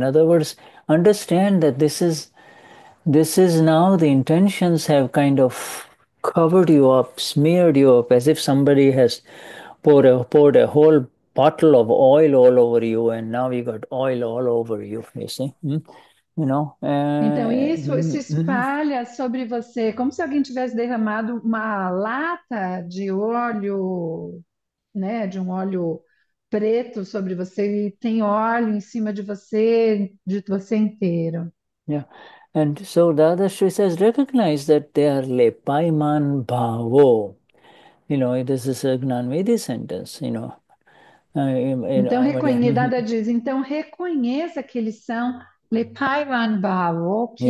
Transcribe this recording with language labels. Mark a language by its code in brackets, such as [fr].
[en] In other words, understand that this is now the intentions have kind of covered you up, smeared you up, as if somebody has poured a whole bottle of oil all over you, and now you got oil all over you. You see, [pt] Então, isso se espalha sobre você, como se alguém tivesse derramado uma lata de óleo, né, de um óleo preto sobre você e tem óleo em cima de você inteiro. [en] Yeah, and so Dadashri says, recognize that they are lepaiman bhavo. This is a Gnanvedi sentence. [pt] Então, Dada diz, então reconheça que eles são Lepaiwan Bao, que